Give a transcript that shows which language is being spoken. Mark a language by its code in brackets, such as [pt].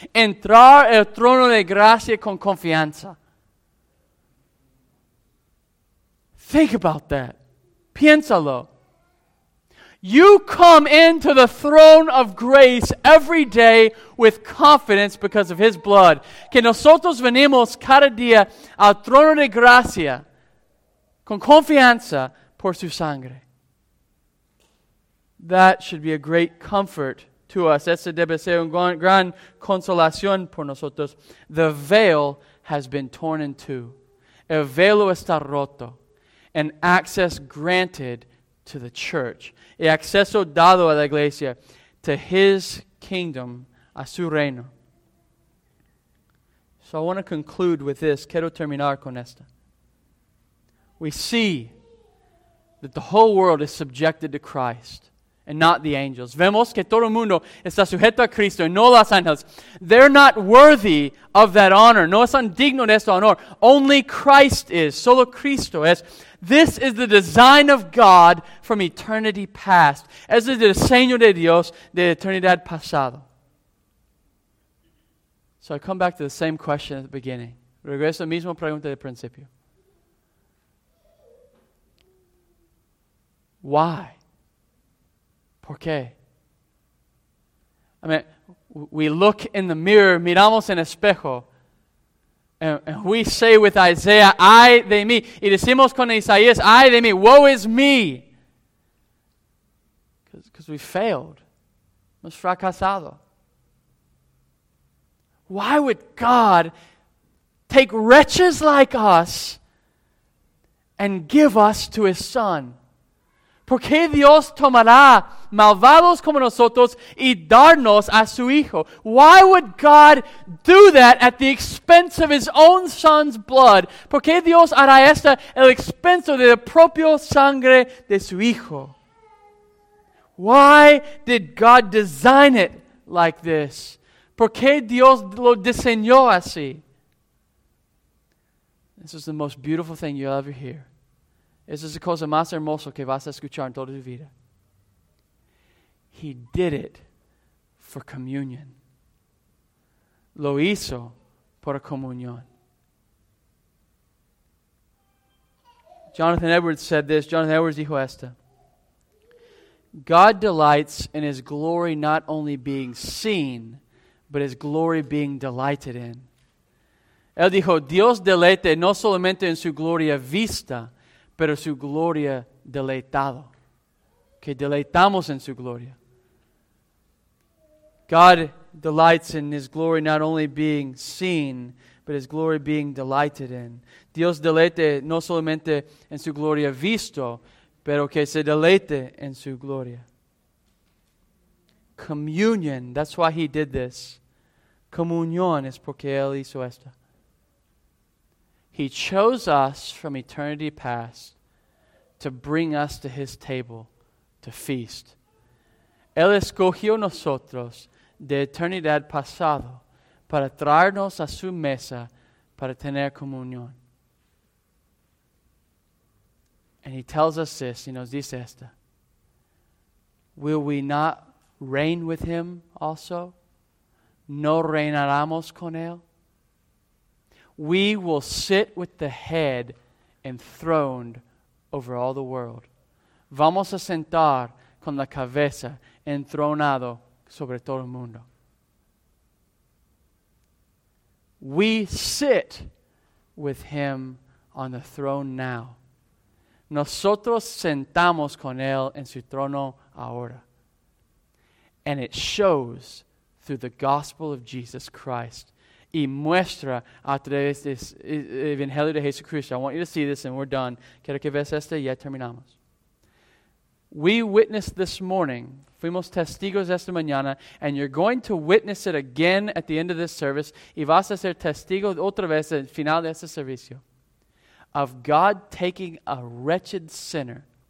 [es] Entrar al trono de gracia con confianza. [en] Think about that. [es] Piénsalo. [en] You come into the throne of grace every day with confidence because of His blood. [es] Que nosotros venimos cada día al trono de gracia con confianza por su sangre. [en] That should be a great comfort to us. [es] Ese debe ser una gran consolación por nosotros. [en] The veil has been torn in two. [es] El velo está roto. [en] And access granted to the church. [es] Y acceso dado a la iglesia. [en] To His kingdom. [es] A su reino. [en] So I want to conclude with this. [es] Quiero terminar con esta. [en] We see that the whole world is subjected to Christ. And not the angels. [es] Vemos que todo el mundo está sujeto a Cristo y no los ángeles. [en] They're not worthy of that honor. [es] No están dignos de ese honor. [en] Only Christ is. [es] Solo Cristo es. [en] This is the design of God from eternity past. [es] Es el diseño de Dios de eternidad pasado. [en] So I come back to the same question at the beginning. [es] Regreso a la misma pregunta del principio. [en] Why? Okay. I mean, we look in the mirror, [es] miramos en espejo, [en] and we say with Isaiah, [es] ay de mí. Y decimos con Isaías, ay de mí, [en] woe is me. Because we failed. [es] Hemos fracasado. [en] Why would God take wretches like us and give us to His Son? [es] ¿Por qué Dios tomará malvados como nosotros y darnos a su Hijo? [en] Why would God do that at the expense of His own Son's blood? [es] ¿Por qué Dios hará esto el expenso de la propia sangre de su Hijo? [en] Why did God design it like this? [es] ¿Por qué Dios lo diseñó así? [en] This is the most beautiful thing you'll ever hear. [es] Esa es la cosa más hermosa que vas a escuchar en toda tu vida. [en] He did it for communion. [es] Lo hizo por comunión. [en] Jonathan Edwards said this. Jonathan Edwards [es] dijo esto. [en] God delights in His glory not only being seen, but His glory being delighted in. [es] Él dijo, Dios deleite no solamente en su gloria vista, pero su gloria deleitado. Que deleitamos en su gloria. [en] God delights in His glory not only being seen, but His glory being delighted in. [es] Dios deleite no solamente en su gloria visto, pero que se deleite en su gloria. [en] Communion, that's why He did this. [es] Comunión es porque Él hizo esto. [en] He chose us from eternity past to bring us to His table, to feast. [es] Él escogió nosotros de eternidad pasado para traernos a su mesa para tener comunión. [en] And He tells us this, [es] y nos dice esta. [en] Will we not reign with Him also? [es] ¿No reinaremos con Él? [en] We will sit with the head enthroned over all the world. [es] Vamos a sentar con la cabeza entronado sobre todo el mundo. [en] We sit with Him on the throne now. [es] Nosotros sentamos con Él en su trono ahora. [en] And it shows through the gospel of Jesus Christ. [es] Y muestra a través del Evangelio de Jesucristo. [en] I want you to see this and we're done. [es] Quiero que veas esto y ya terminamos. [en] We witnessed this morning. [es] Fuimos testigos esta mañana. [en] And you're going to witness it again at the end of this service. [es] Y vas a ser testigo otra vez al final de este servicio. [en] Of God taking a wretched sinner